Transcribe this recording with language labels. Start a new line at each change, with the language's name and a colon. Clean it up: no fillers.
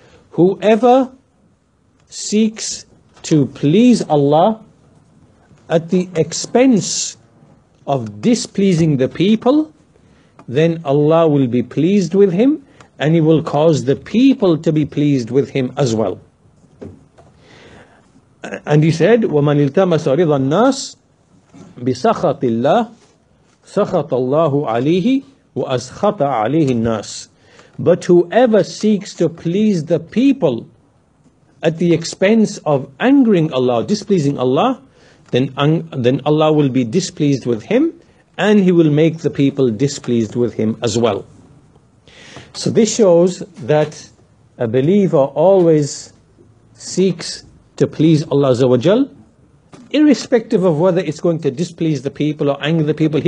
English: Whoever seeks to please Allah at the expense of displeasing the people, then Allah will be pleased with him, and he will cause the people to be pleased with him as well.
Arabic: And he said, وَمَنْ إِلْتَمَسَ رِضَ النَّاسِ بِسَخَطِ اللَّهِ سَخَطَ اللَّهُ عَلِيهِ وَأَسْخَطَ عَلِيهِ النَّاسِ.
English: But whoever seeks to please the people at the expense of angering Allah, displeasing Allah, then Allah will be displeased with him, and he will make the people displeased with him as well. So this shows that a believer always seeks to please Allah Azza wa Jal, irrespective of whether it's going to displease the people or anger the people.